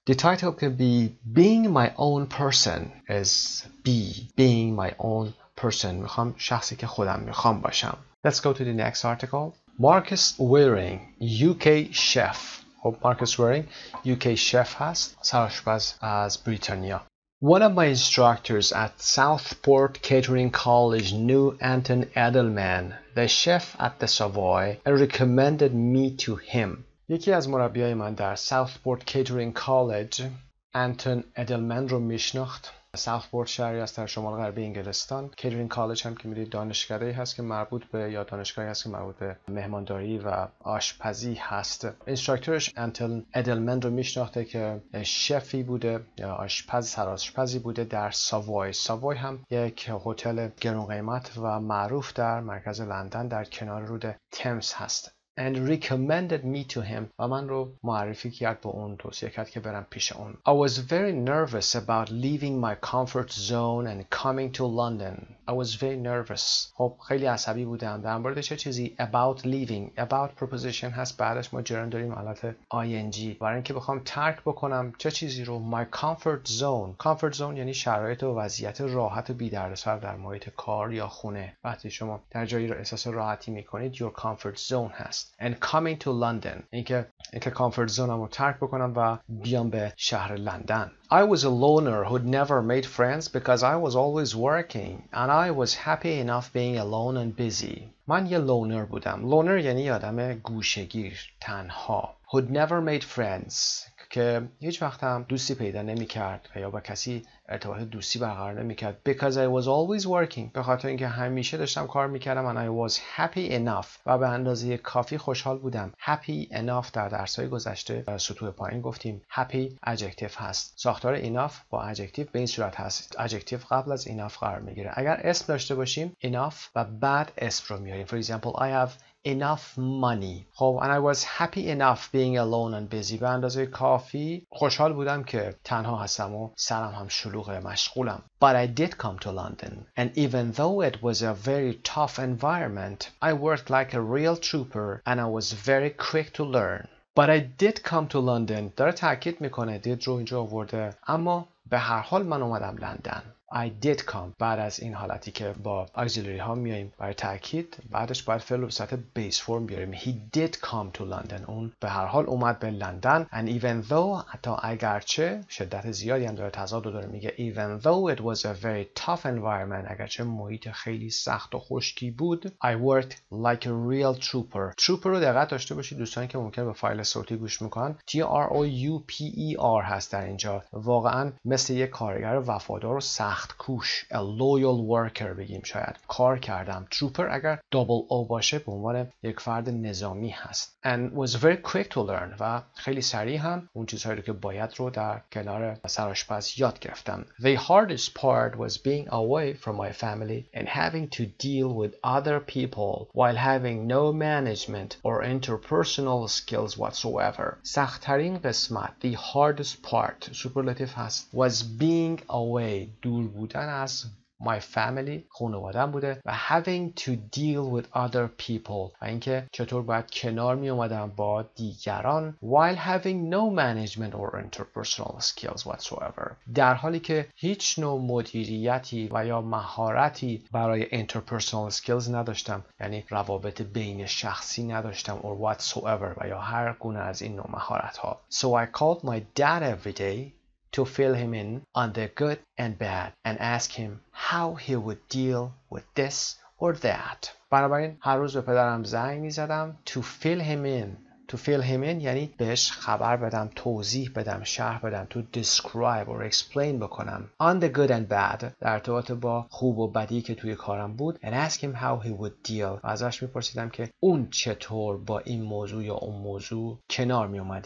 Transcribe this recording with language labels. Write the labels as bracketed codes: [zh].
[en] The title can be being my own person, as being my own person, [fa] میخوام شخصی که خودم میخوام باشم. [en] Let's go to the next article. Marcus Waring, UK chef. [fa] خب Marcus Waring UK chef هست, سرآشپز از بریتانیا. [en] One of my instructors at Southport Catering College knew Anton Edelman, the chef at the Savoy, and recommended me to him. [fa] یکی از مربیای من در Southport Catering College Anton Edelman رو میشناخت. Southport شهری است در شمال غربی انگلستان. Catering College هم که میدونید دانشگاهی هست که مربوط به, یا دانشگاهی هست که مربوط به مهمانداری و آشپزی هست. اینستراکتورش انتل ادلمن رو میشناخته که شفی بوده یا آشپز, سرآشپزی بوده در ساوای. ساوای هم یک هتل گران قیمت و معروف در مرکز لندن در کنار رود تمز هست. [en] And recommended me to him. [fa] و من رو معرفی کرد به اون, توصیه کرد که برم پیش اون. [en] I was very nervous about leaving my comfort zone and coming to London. I was very nervous. [fa] خب خیلی عصبی بودم در مورد چه چیزی. [en] About leaving. [fa] About preposition هست, بعدش ما جرم داریم حالت ing, برای اینکه بخوام ترک بکنم چه چیزی رو. [en] My comfort zone. [fa] Comfort zone یعنی شرایط و وضعیت راحت و بی‌دردسر در محیط کار یا خونه. وقتی شما در جایی رو احساس راحتی میکنید, [en] your comfort zone [fa] هست. [en] And coming to London. [fa] اینکه comfort zone رو ترک بکنم و بیام به شهر لندن. [en] I was a loner who'd never made friends because I was always working and I was happy enough being alone and busy. [fa] من یه loner بودم. Loner یعنی آدم گوشه‌گیر, تنها. [en] Who'd never made friends, [fa] که هیچ وقت هم دوستی پیدا نمی کرد یا با کسی ارتباط دوستی برقرار نمی کرد. [en] Because I was always working, [fa] به خاطر اینکه همیشه داشتم کار می کردم. [en] And I was happy enough, [fa] و به اندازه کافی خوشحال بودم. Happy enough در درسهای گذشته سطوح پایین گفتیم happy adjective هست. ساختار enough با adjective به این صورت هست, adjective قبل از enough قرار می گیره. اگر اسم داشته باشیم enough و بعد اسم رو میاریم. [en] For example, I have enough money. خب, and I was happy enough being alone and busy. [fa] به اندازه کافی خوشحال بودم که تنها هستم و سرم هم شلوغه, مشغولم. [en] But I did come to London, and even though it was a very tough environment, I worked like a real trooper and I was very quick to learn. But I did come to London. [fa] داره تأکید میکنه, did رو اینجا آورده. اما به هر حال من اومدم لندن. [en] I did come. [fa] بعد از این حالتی که با auxiliary ها میاییم برای تأکید، بعدش باید فعل رو به صورت base form بیاریم. [en] He did come to London. [fa] اون به هر حال اومد به لندن. [en] And even though، [fa] حتی اگرچه، شدت زیادی هم داره تضاد رو داره، میگه [en] even though it was a very tough environment، [fa] اگرچه محیط خیلی سخت و خشکی بود، [en] I worked like a real trooper. [fa] Trooper رو دقت داشته باشید دوستان که ممکنه به فایل صوتی گوش میکنن، T-R-O-U-P-E-R هست در اینجا. واقعا مثل یک کارگر وفادار و سخت کوش، [en] a loyal worker [fa] بگیم شاید، کار کردم. Trooper اگر double O باشه به عنوان یک فرد نظامی هست. [en] And was very quick to learn، [fa] و خیلی سریع هم اون چیزهایی که باید رو در کنار سرآشپز یاد گرفتم. [en] The hardest part was being away from my family and having to deal with other people while having no management or interpersonal skills whatsoever. [fa] سخت‌ترین قسمت، [en] the hardest part، superlative هست، was being away، [fa] دور بودن از [en] my family، [fa] خانواده‌ام بوده، [en] و having to deal with other people، [fa] و اینکه چطور باید کنار می اومدم با دیگران، [en] while having no management or interpersonal skills whatsoever، [fa] در حالی که هیچ نوع مدیریتی و یا مهارتی برای interpersonal skills نداشتم، یعنی روابط بین شخصی نداشتم، [en] or whatsoever، [fa] و یا هر گونه از این نوع مهارت ها. [en] So I called my dad every day to fill him in on the good and bad and ask him how he would deal with this or that. [fa] بنابراین هر روز به پدرم زنگ می زدم [en] to fill him in. To fill him in [fa] یعنی بهش خبر بدم، توضیح بدم، شرح بدم، [en] to describe or explain [fa] بکنم [en] on the good and bad، [fa] در ارتباط با خوب و بدی که توی کارم بود، [en] and ask him how he would deal، [fa] و ازش میپرسیدم که اون چطور با این موضوع یا اون موضوع کنار می اومد.